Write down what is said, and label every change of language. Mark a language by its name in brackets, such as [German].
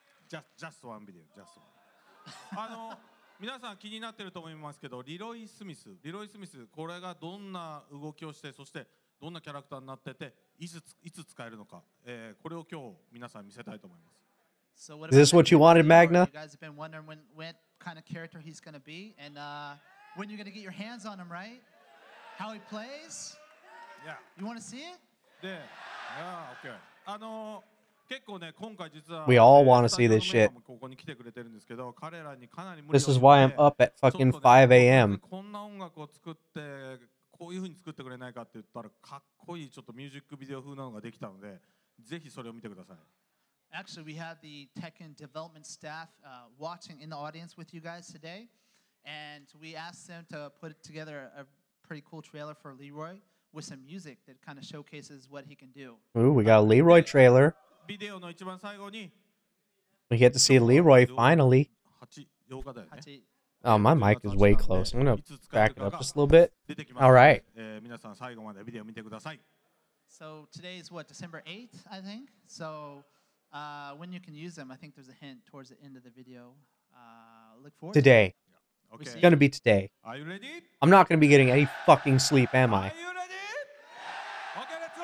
[English] Yeah. Just one video, just one. [Japanese] 皆さん気になってると思いますけど、リロイ・スミス、これがどんな動きをして、そしてどんなキャラクターになってて、いつ使えるのか、これを今日皆さん見せたいと思います。 [English] So what is this what you wanted, Magna? You guys have been wondering what kind of character he's going to be, and when you're going to get your hands on him, right? How he plays? Yeah. You want to see it? Yeah, okay. [Japanese] 結構ね、今回実は… [English] We all want to see this shit. [Japanese] ここに来てくれてるんですけど、彼らにかなり無理 [English] を… This is why I'm up at fucking 5 a.m. [Japanese] こんな音楽を作って、こういう風に作ってくれないかって言ったら、かっこいいちょっとミュージックビデオ風なのができたので、ぜひそれを見てください。 [English] Actually, we have the tech and development staff watching in the audience with you guys today, and we asked them to put together a pretty cool trailer for Leroy with some music that kind of showcases what he can do. Ooh, we got a Leroy trailer. [Japanese] Video の一番最後に。 [English] We get to see Leroy finally. [Japanese] 8日だよね。 [English] Oh, my mic is way close. I'm gonna back it up just a little bit. All right. [Japanese] 皆さん最後までビデオ見てください。 [English] So today is what, December 8th, I think. So. When you can use them, I think there's a hint towards the end of the video. Look forward to today. Yeah. Okay. It's gonna be today. Are you ready? I'm not gonna be getting any fucking sleep, am I? Are you ready? Okay, let's go.